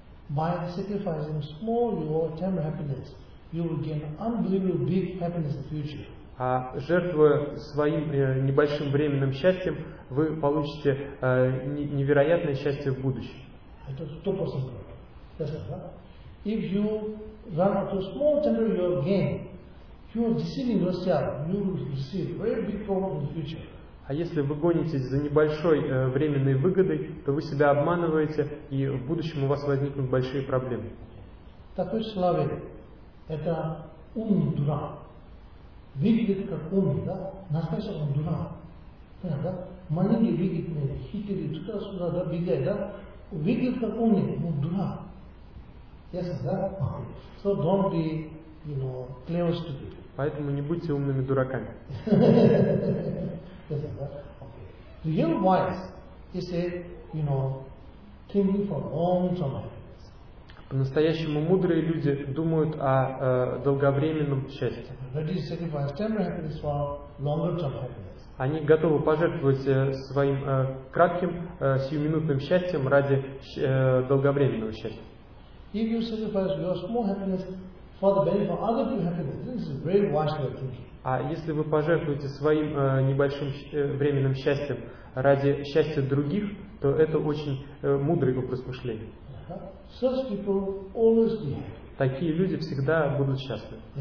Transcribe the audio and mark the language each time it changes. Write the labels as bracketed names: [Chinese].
[English] By sacrificing small your temporary happiness, you will gain unbelievable big happiness in the future. [Russian] А жертвуя своим небольшим временным счастьем, вы получите невероятное счастье в будущем. Это 100%. [English] If you run out of small temporary your gain, you are deceiving yourself. You will receive very big problem in the future. [Russian] А если вы гонитесь за небольшой временной выгодой, то вы себя обманываете, и в будущем у вас возникнут большие проблемы. Такой человек – это умный дурак. Выглядит как умный, да? Настоящий он дурак. Понятно, да? Маленький выглядит, хитрый, туда-сюда, да, бегает, да? Выглядит как умный, но дурак. Ясно, да? [English] So don't be, you know, clever stupid. [Russian] Поэтому не будьте умными дураками. [English] Real wise is a, you know, thinking for long term. [Russian] По-настоящему мудрые люди думают о долговременном счастье. [English] Ready to sacrifice temporary happiness for longer term happiness. [Russian] Они готовы пожертвовать своим кратким, сиюминутным счастьем ради долговременного счастья. [English] If you sacrifice your small happiness for the benefit of other people's happiness, this is very wise way of thinking. [Russian] А если вы пожертвуете своим небольшим временным счастьем ради счастья других, то это очень мудрый образ мышления. [English] Such people always be happy. [Russian] Такие люди всегда будут счастливы.